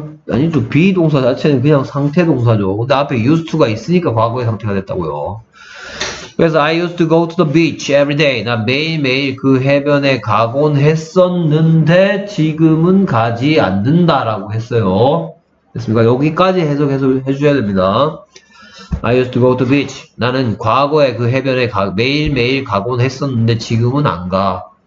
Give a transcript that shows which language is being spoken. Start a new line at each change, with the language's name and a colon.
Korean: 아니, 또 be 동사 자체는 그냥 상태 동사죠. 근데 앞에 used to가 있으니까 과거의 상태가 됐다고요.
English: 그래서 I used to go to the beach every day.
Korean: 나 매일매일 그 해변에 가곤 했었는데 지금은 가지 않는다라고 했어요. 됐습니까? 여기까지 해석해서 해줘야 됩니다.
English: I used to go to beach.
Korean: 나는 과거에 그 해변에 매일매일 가곤 했었는데 지금은 안 가.